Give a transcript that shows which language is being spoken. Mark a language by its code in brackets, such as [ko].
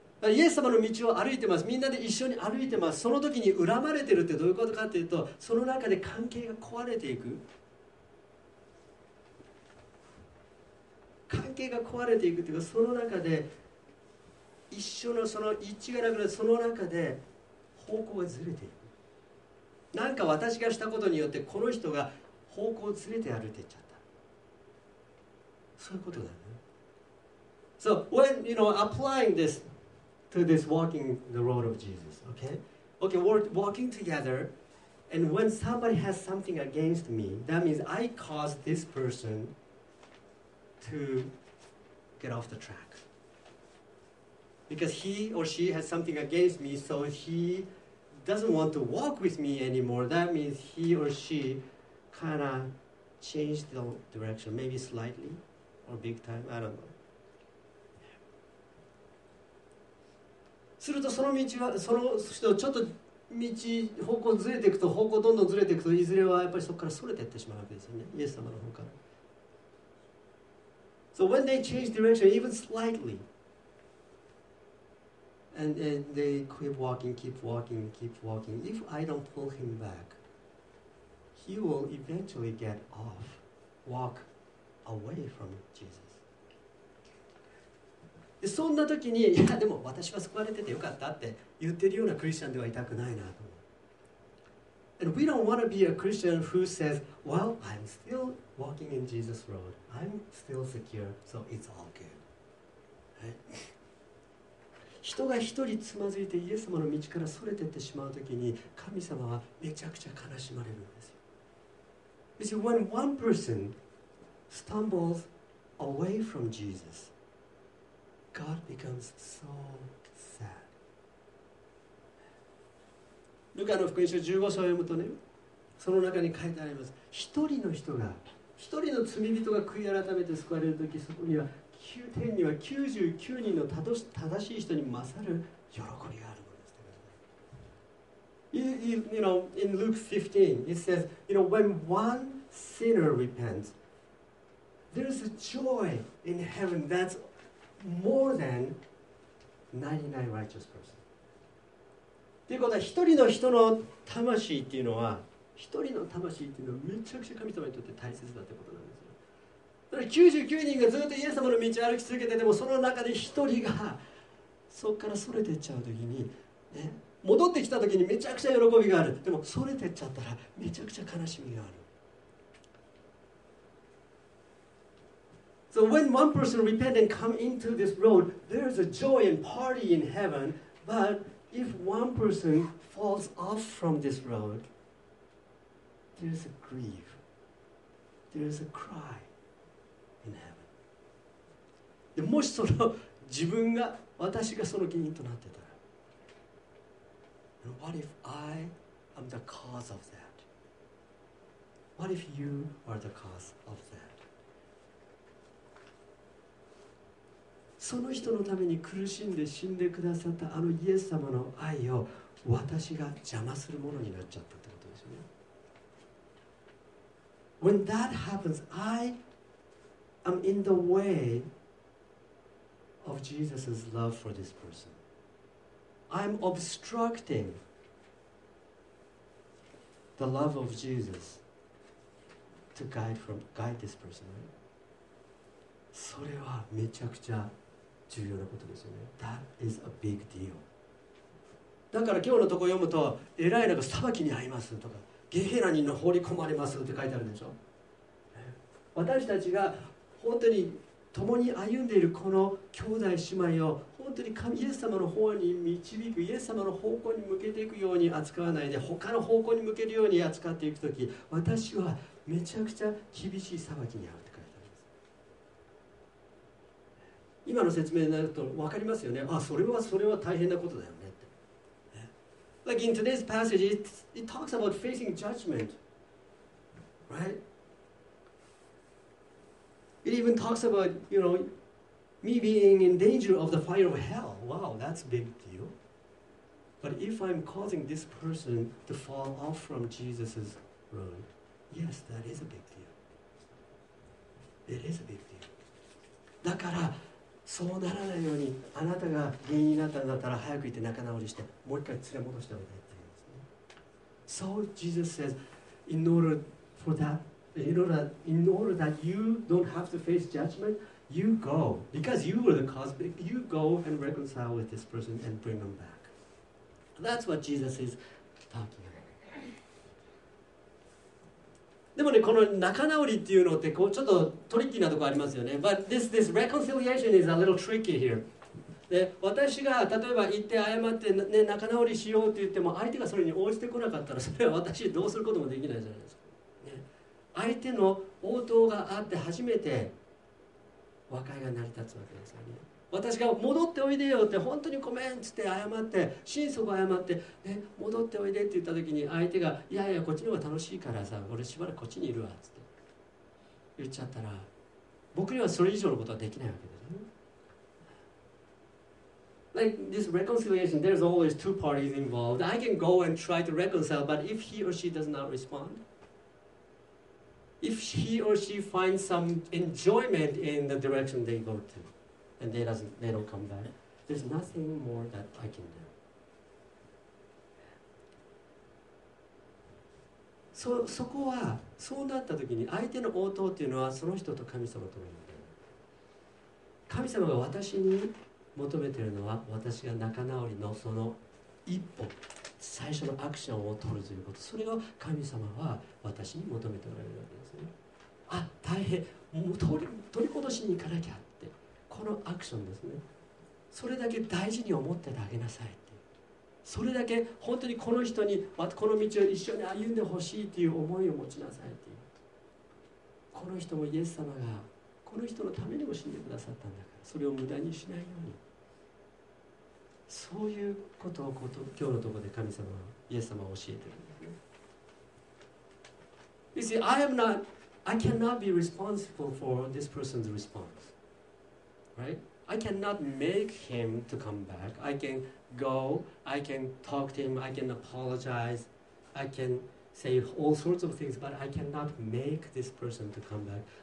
[ja] イエス様の道を歩いてます。みんなで一緒に歩いてます。その時に恨まれてるってどういうことかっていうと、その中で関係が壊れていく。関係が壊れていくっていうか、その中で一緒のその一致がなくなる、その中で方向がずれていく。なんか私がしたことによって、この人が方向をずれて歩いていっちゃう。そういうことだね。 [en] So when you know applying this to this walking the road of Jesus, okay? Okay, we're walking together, and when somebody has something against me, that means I caused this person to get off the track. Because he or she has something against me, so he doesn't want to walk with me anymore. That means he or she kind of changed the direction, maybe slightly. Or big time, I don't know. [ja] するとその道は、その人ちょっと道方向ずれていくと、方向どんどんずれていくと、いずれはやっぱりそこからそれていってしまうわけですよね、イエス様の方から。 [en] So when they change direction even slightly and they keep walking, if I don't pull him back, he will eventually get off, walkAway from Jesus. [ja] でそんな時に、いやでも私は救われててよかったって言ってるようなクリスチャンではいたくないなと。 [en] And we don't want to be a Christian who says, Well, I'm still walking in Jesus' road. I'm still secure, so it's all good.、Right? [ja] 人が一人つまずいてイエス様の道からそれてってしまう時に、神様はめちゃくちゃ悲しまれるんですよ。 [en] You see, when one personstumbles away from Jesus, God becomes so sad. [ja] ルカの福音書15章を読むとね、その中に書いてあります。一人の人が、一人の罪人が悔い改めて救われるとき、そこには天には99人の正しい人に勝る喜びがあるのです。 [en] you know, in Luke 15 it says, you know, when one sinner repentsThere's a joy in heaven that's more than 99 righteous persons. [ja] ということは、一人の人の魂っていうのは、一人の魂っていうのはめちゃくちゃ神様にとって大切だってことなんですよ。だから99人がずっとイエス様の道を歩き続けて、でもその中で一人がそこからそれていっちゃうときに、ね、戻ってきたときにめちゃくちゃ喜びがある。でもそれていっちゃったらめちゃくちゃ悲しみがある。 [en] So when one person repents and comes into this road, there's a joy and party in heaven. But if one person falls off from this road, there's a grief. There's a cry in heaven. [ja] でもしその自分が、私がその原因となってたら。 [en] And what if I am the cause of that? What if you are the cause of that? [ja] その人のために苦しんで死んでくださったあのイエス様の愛を私が邪魔するものになっちゃったってことですよね。 [en] When that happens, I am in the way of Jesus' love for this person. I'm obstructing the love of Jesus to guide this person.、Right? [ja] それはめちゃくちゃ重要なことですよね。 [en] That is a big deal. [ja] だから今日のところ読むと、エライラが裁きに遭いますとか、ゲヘラに放り込まれますって書いてあるでしょ。私たちが本当に共に歩んでいるこの兄弟姉妹を本当に神イエス様の方に導く、イエス様の方向に向けていくように扱わないで、他の方向に向けるように扱っていくとき、私はめちゃくちゃ厳しい裁きに遭うって書いてあります。今の説明になると分かりますよね。あ、それは大変なことだよねって。 [en] Like in today's passage, it talks about facing judgment, right? It even talks about, you know, me being in danger of the fire of hell. Wow, that's a big deal. But if I'm causing this person to fall off from Jesus' road, yes, that is a big deal. It is a big deal. [ja] だから、そうならないように、あなたが原因になったんだったら早く行って仲直りして、もう一回連れ戻しておいてっていうんですね。 [en] So Jesus says, in order that you don't have to face judgment, you go. Because you were the cause, you go and reconcile with this person and bring them back. That's what Jesus is talking about. [ja] でもね、この仲直りっていうのってこうちょっとトリッキーなとこありますよね。 [en] But this reconciliation is a little tricky here. [ja] で、私が例えば行って謝って、ね、仲直りしようって言っても、相手がそれに応じてこなかったら、それは私どうすることもできないじゃないですか。相手の応答があって初めて和解が成り立つわけですよね。私が戻っておいでよって本当にごめんって謝って心底謝って、ね、戻っておいでって言った時に相手がいやいやこっちの方が楽しいからさ俺しばらくこっちにいるわって言っちゃったら僕にはそれ以上のことはできないわけですね。 [en] Like this reconciliation, there's always two parties involved. I can go and try to reconcile, but if he or she does not respondIf he or she finds some enjoyment in the direction they go to, and they don't come back, there's nothing more that I can do. [ja] そこはそうなった時に相手の応答というのはその人と神様との関係。神様が私に求めているのは私が仲直りのその一歩。最初のアクションを取るということ、それを神様は私に求めておられるわけですね。あ、大変、もう取り戻しに行かなきゃって、このアクションですね。それだけ大事に思っててあげなさいって、それだけ本当にこの人にこの道を一緒に歩んでほしいという思いを持ちなさいって、この人もイエス様がこの人のためにも死んでくださったんだから、それを無駄にしないように、そういうことを今日のところで神様、イエス様は教えているんですね。 [en] You see, I cannot be responsible for this person's response. Right? I cannot make him to come back. I can go, I can talk to him, I can apologize, I can say all sorts of things, but I cannot make this person to come back.